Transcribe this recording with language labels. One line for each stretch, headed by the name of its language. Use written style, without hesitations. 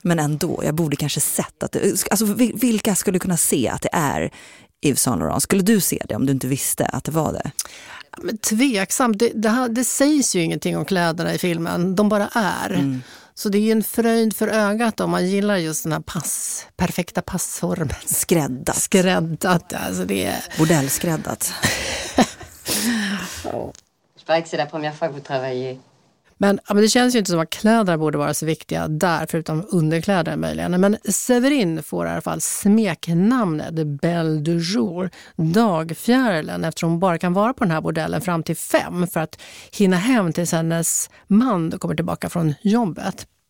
Swedish: Men ändå, jag borde kanske sett att det, alltså, vilka skulle kunna se att det är Yves Saint Laurent? Skulle du se det om du inte visste att det var det? Men tveksamt. Det sägs ju ingenting om kläderna i filmen. De bara är. Mm. Så det är ju en fröjd för ögat om man gillar just den här perfekta passformen. Skräddat. Skräddat, alltså det är... Bordellskräddat.
French: Je parais que c'est la première fois que vous travaillez.
Swedish: Men det känns ju inte som att kläderna borde vara så viktiga där, förutom underkläder möjligen. Men Severin får i alla fall smeknamnet Belle du Jour, dagfjärilen, eftersom hon bara kan vara på den här bordellen fram till 5 för att hinna hem tills hennes man kommer tillbaka från jobbet.